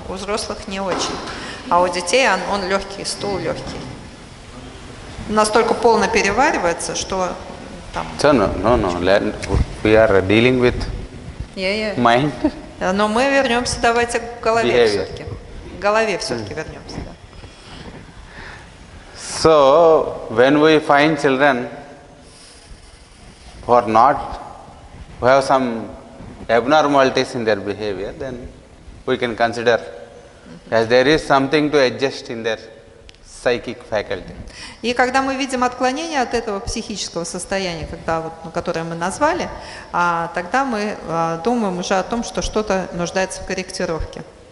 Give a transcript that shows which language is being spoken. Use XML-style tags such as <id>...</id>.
<ru>У взрослых не очень. А у детей он легкий, стул легкий. Настолько полно переваривается, что там...</ru> <en>No. We are dealing with mind.</en> <ru>Но мы вернемся, давайте к голове все-таки. К голове все-таки вернемся. Да.</ru> <en>So, when we find children who are not... who have some abnormalities in their behavior, then we can consider as there is something to adjust in their psychic faculty.</en> <ru>И когда мы видим отклонение от этого психического состояния, когда вот, которое мы назвали, тогда мы думаем уже о том, что что-то нуждается в корректировке.</ru>